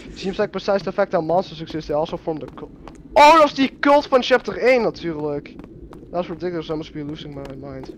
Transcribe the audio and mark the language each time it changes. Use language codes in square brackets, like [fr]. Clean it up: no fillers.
[en] Seems like precise the fact that monsters exist, they also form the cult. [nl] Oh, dat is die cult van [en] chapter 1 [nl] natuurlijk. [en] That's ridiculous, I must be losing my mind.